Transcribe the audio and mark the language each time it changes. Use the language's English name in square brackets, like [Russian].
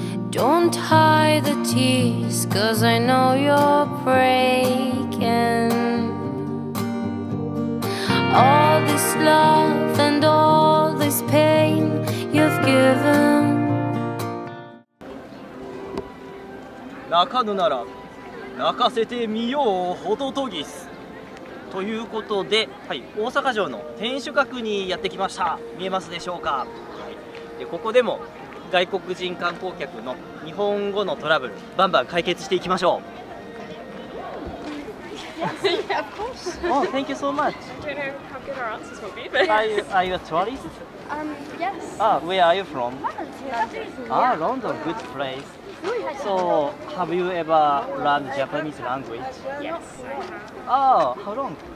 [English] Don't hide the tears, cause I know you're breaking. All this love and all this pain you've given. [Japanese] なかぬなら泣かせてみようほどとぎす。ということで、はい、大阪城の天守閣にやってきました。見えますでしょうか。はい、でここでも外国人観光客の日本語のトラブル、バンバン解決していきましょう。 [English] Yes, of course. Oh, thank you so much. Do you know how good our answers will be? Are you a tourist? Yes. Ah, where are you from? London. Ah, London, good place. So, have you ever learned Japanese language? Yes, I have. Oh, how long?